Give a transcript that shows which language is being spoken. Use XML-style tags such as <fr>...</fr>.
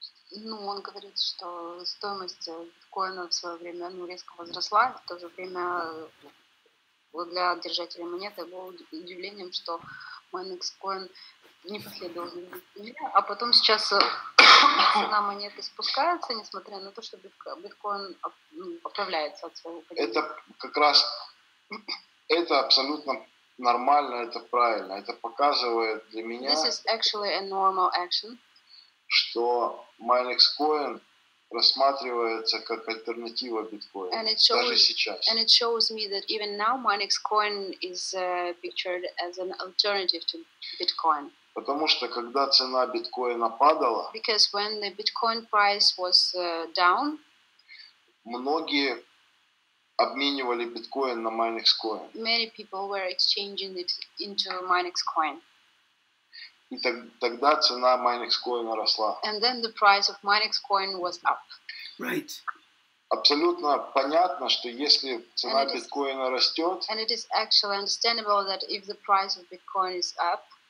<ru>Ну, он говорит, что стоимость биткоина в свое время резко возросла, в то же время для держателя монеты было удивлением, что Minexcoin не последовал за ним, а потом сейчас цена монеты спускается, несмотря на то, что биткоин поправляется от своего падения. Это как раз, это абсолютно нормально, это правильно, это показывает для меня,</ru> <en>this is actually a normal action,</en> <ru>что Minexcoin рассматривается как альтернатива биткоину,</ru> <en>and it shows,</en> <ru>даже сейчас.</ru> <en>And it shows me that even now Minexcoin is pictured as an alternative to Bitcoin.</en> <ru>Потому что когда цена биткоина падала,</ru> <en>because when the Bitcoin price was down,</en> <ru>многие обменивали биткоин на Minexcoin.</ru> <en>Many people were exchanging it into Minexcoin.</en> <ru>И тогда цена Minexcoin росла.</ru> <en>And then the price of Minexcoin was up. Right.</en> <ru>Абсолютно понятно, что если цена биткоина растет,</ru> <en>and it is actually understandable that if the price of Bitcoin is up,</en>